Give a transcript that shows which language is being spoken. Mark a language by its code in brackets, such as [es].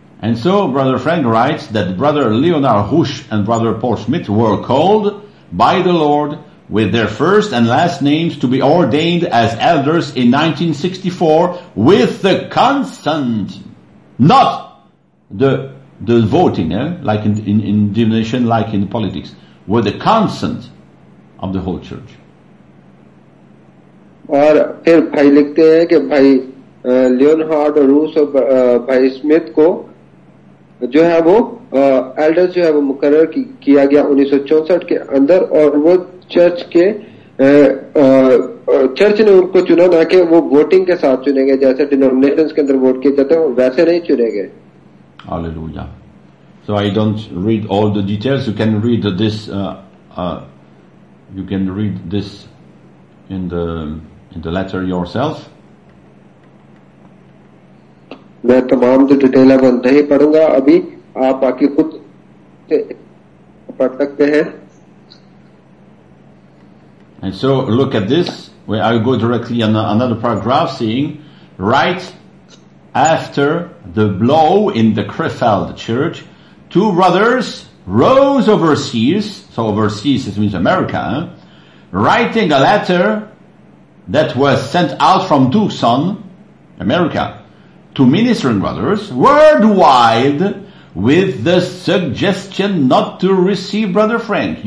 [en] And so, Brother Frank writes that Brother Leonard Hush and Brother Paul Schmidt were called by the Lord with their first and last names to be ordained as elders in 1964 with the consent, not the voting, like in divination, like in politics, with the consent of the whole church. [hi] और फिर भाई लिखते हैं कि भाई Leonhard और रूस और भाई स्मिथ को जो है वो एल्डर्स जो है वो मुकर्रर किया गया 1964 के अंदर और वो चर्च के चर्च ने उनको चुना ना कि वो वोटिंग के साथ चुने गए जैसे डिनोमिनेशंस के अंदर वोट किए जाते हैं वैसे नहीं चुने गए. [en] Hallelujah. So I don't read all the details. You can read this in the letter yourself. [hi] मैं तमाम जो डिटेल है वो नहीं पढ़ूंगा अभी, आप बाकी खुद पढ़ सकते हैं. [en] And so look at this, where I go directly on another paragraph, seeing right after the blow in the Krefeld church, two brothers rose overseas, so overseas it means America, writing a letter that was sent out from Tucson, America, to ministering brothers worldwide with the suggestion not to receive Brother Frank.